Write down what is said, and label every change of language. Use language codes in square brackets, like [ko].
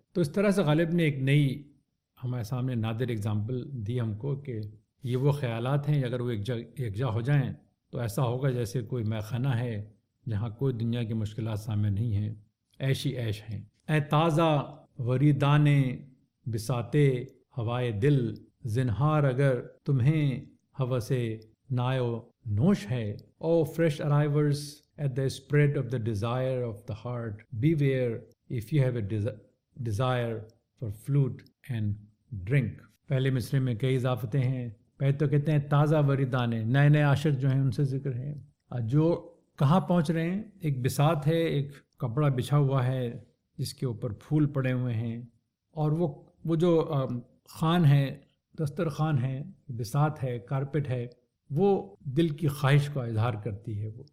[ur] تو اس طرح سے غالب نے ایک نئی ہمارے سامنے نادر اگزامپل دی ہم کو کہ یہ وہ خیالات ہیں اگر وہ یکجا ہو جائیں تو ایسا ہوگا جیسے کوئی میخانہ ہے جہاں کوئی دنیا کی مشکلات سامنے نہیں ہیں، ایشی ایش ہیں. اے تازہ وریدانے بساتے ہوائے دل، زنہار اگر تمہیں حوث نائو نوش ہے. [en] O fresh arrivers at the spread of the desire of the heart, be ware if you have a desire for float and drink. [ur] پہلے مصرے میں کئی اضافتیں ہیں. پہلے تو کہتے ہیں تازہ وریدانے، نئے نئے عاشق جو ہیں ان سے ذکر ہے، جو کہاں پہنچ رہے ہیں، ایک بسات ہے، ایک کپڑا بچھا ہوا ہے جس کے اوپر پھول پڑے ہوئے ہیں، اور وہ جو خان ہے، دسترخوان ہے، بسات ہے، کارپٹ ہے، وہ دل کی خواہش کا اظہار کرتی ہے وہ.